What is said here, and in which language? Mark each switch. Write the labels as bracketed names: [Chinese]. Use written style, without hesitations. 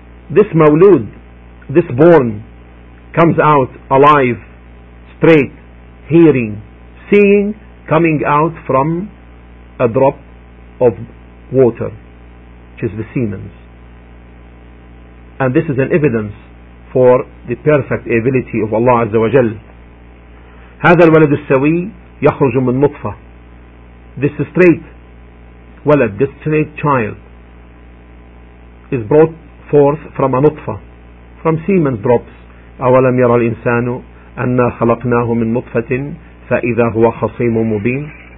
[English] This mawlud, this born, comes out alive, straight, hearing, seeing, coming out from a drop of water, which is the semen. And this is an evidence for the perfect ability of Allah Azza wa Jal. [Arabic] هذا الولد السوي يخرج من نطفة. [English] This straight ولد, this straight child, is brought forth from a نطفة, from semen drops. [Arabic] أولم يرى الإنسان أنا خلقناه من نطفة فإذا هو خصيم مبين.